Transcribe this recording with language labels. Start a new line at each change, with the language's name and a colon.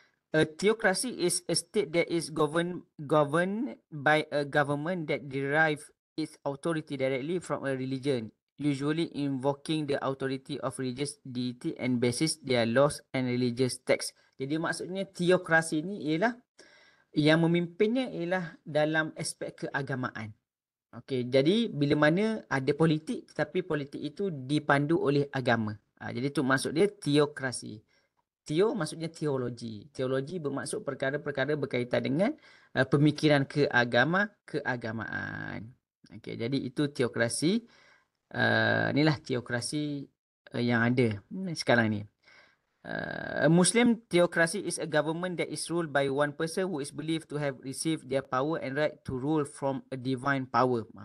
English: A theocracy is a state that is governed by a government that derives its authority directly from a religion. usually invoking the authority of religious deity and basis their laws and religious texts.
Malay: Jadi maksudnya teokrasi ni ialah yang memimpinnya ialah dalam aspek keagamaan. Okey, jadi bila mana ada politik tetapi politik itu dipandu oleh agama. Jadi itu maksud dia teokrasi. Teo maksudnya teologi. Teologi bermaksud perkara-perkara berkaitan dengan pemikiran keagamaan. Okey, jadi itu teokrasi. Inilah teokrasi yang ada sekarang ni.
English: A Muslim theocracy is a government that is ruled by one person who is believed to have received their power and right to rule from a divine power.